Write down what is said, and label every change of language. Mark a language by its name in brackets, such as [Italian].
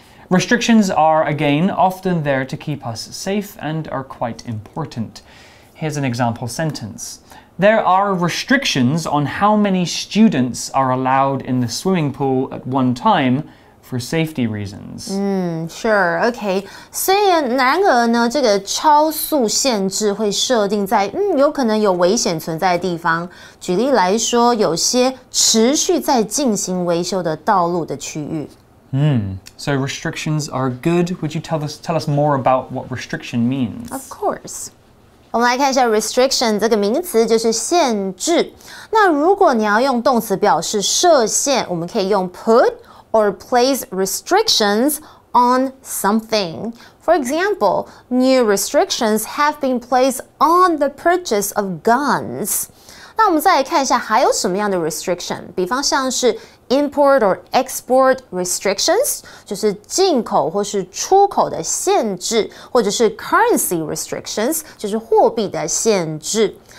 [English] Restrictions are, again, often there to keep us safe and are quite important. Here's an example sentence. There are restrictions on how many students are allowed in the swimming pool at one time,For safety reasons. Sure, okay. [Chinese] 虽然然而呢，这个超速限制会设定在有可能有危险存在的地方。举例来说，有些持续在进行维修的道路的区域。 [English] So restrictions are good. Would you tell us more about what restriction means? Of course. [Chinese] 我们来看一下 restriction 这个名词就是限制。那如果你要用动词表示设限，我们可以用 put. [English] Or place restrictions on something. For example, new restrictions have been placed on the purchase of guns. [Chinese] 那我们再来看一下还有什么样的 restriction， 比方像是 [English] import or export restrictions， [Chinese] 就是进口或是出口的限制，或者是 [English] currency restrictions， [Chinese] 就是货币的限制。